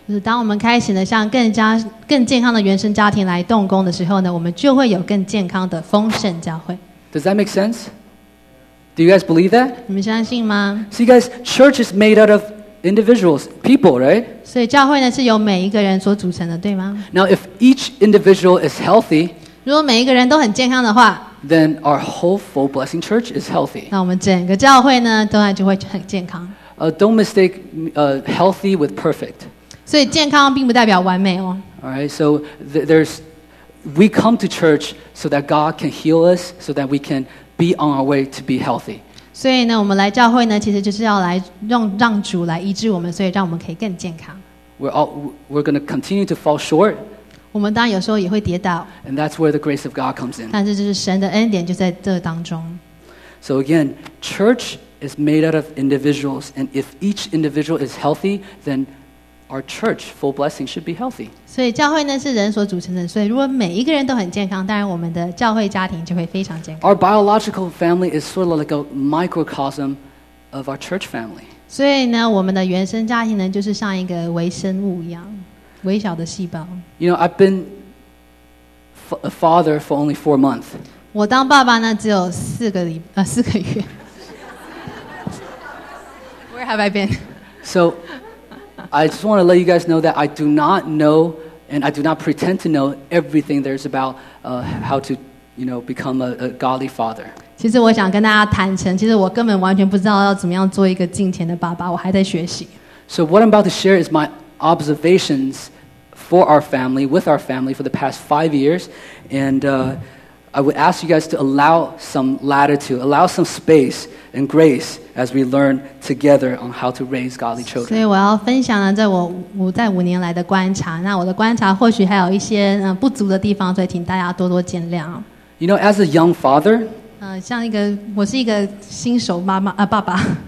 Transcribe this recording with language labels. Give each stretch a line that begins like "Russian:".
Chinese: 就是当我们开始呢向更健康的原生家庭来动工的时候呢，我们就会有更健康的丰盛教会。
English: Does that make sense? Do you guys believe that?
Chinese: 你们相信吗？
English: See, guys, church is made out of individuals, people, right?
Chinese: 所以教会呢是由每一个人所组成的，对吗？
English: Now, if each individual is healthy,
Chinese: 如果每一个人都很健康的话，
English: then our whole full blessing church is healthy.
Chinese: 那我们整个教会呢，当然就会很健康。
English: Don't mistake healthy with perfect.
Chinese: 所以健康并不代表完美哦。
English: All right, so there's we come to church so that God can heal us, so that we can. Be on our way to be healthy.
Chinese: 所以呢，我们来教会呢，其实就是要来让主来医治我们，所以让我们可以更健康。
English: We're going to continue to fall short.
Chinese: 我们当然有时候也会跌倒。
English: And that's where the grace of God comes in.
Chinese: 但是就是神的恩典就在这当中。
English: So again, church is made out of individuals, and if each individual is healthy, then our church full blessing should be healthy.
Chinese: 所以教会呢是人所组成的，所以如果每一个人都很健康，当然我们的教会家庭就会非常健康。
English: Our biological family is sort of like a microcosm of our church family.
Chinese: 所以呢，我们的原生家庭呢就是像一个微生物一样，微小的细胞。
English: You know, I've been a father for only 4 months.
Chinese: 我当爸爸呢只有四个月。
English: Where have I been? So. I just want to let you guys know that I do not know and I do not pretend to know everything there's about how to, you know, become a godly father.
Chinese: 其实我想跟大家坦诚，其实我根本完全不知道要怎么样做一个敬虔的爸爸，我还在学习。
English: So what I'm about to share is my observations for our family, with our family for the past 5 years, and I would ask you guys to allow some latitude, allow some space and grace as we learn together on how to raise godly children.
Chinese: 所以我要分享了我在五年来的观察，那我的观察或许还有一些不足的地方，所以请大家多多见谅。
English: You know, as a young father,
Chinese: 像一个我是一个新手妈妈爸爸。